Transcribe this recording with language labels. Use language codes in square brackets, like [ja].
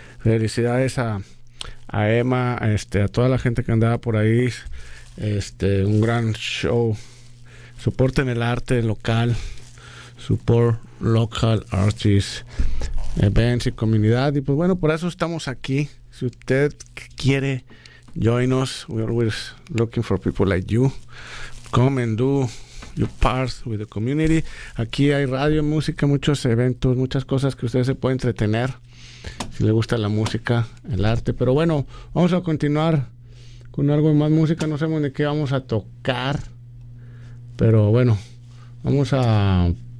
[es] Felicidades a Emma, a toda la gente que andaba por ahí, un gran show. Soporten el arte local, [en] support local artists, events [es] y comunidad. Y pues bueno, por eso estamos aquí. Si usted quiere, [en] join us, we're always looking for people like you. Come and do your part with the community. [es] Aquí hay radio, música, muchos eventos, muchas cosas que ustedes se pueden entretener si les gusta la música, el arte. Pero bueno, vamos a continuar con algo de más música. No sabemos de qué vamos a tocar, pero bueno, vamos a...